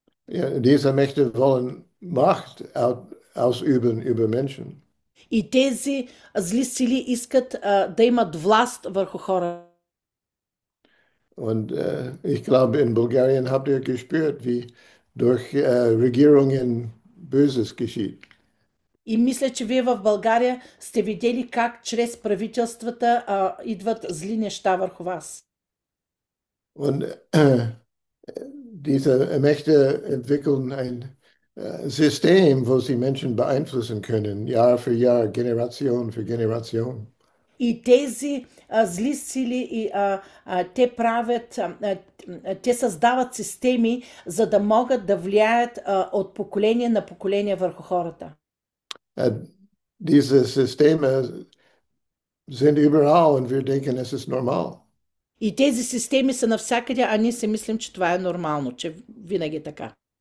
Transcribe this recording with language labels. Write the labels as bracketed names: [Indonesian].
[German] Ja, diese Mächte wollen Macht ausüben über Menschen. [Bulgarian] И тези зли сили искат да имат власт върху хората. [German] Und ich glaube, in Bulgarien habt ihr gespürt, wie durch Regierungen Böses geschieht. [Bulgarian] И мисля, че вие в България сте видели как чрез правителствата идват зли неща върху вас. [German] Und diese Mächte entwickeln ein System, wo sie Menschen beeinflussen können, Jahr für Jahr, Generation für Generation. [Bulgarian] И тези зли сили и те правят, те създават системи, за да могат да влияят от поколение на поколение върху хората. [German] Diese Systeme sind überall und wir denken, es ist normal. [Bulgarian] И тези системи са навсякъде, а ние си мислим, че това е нормално, че винаги е така.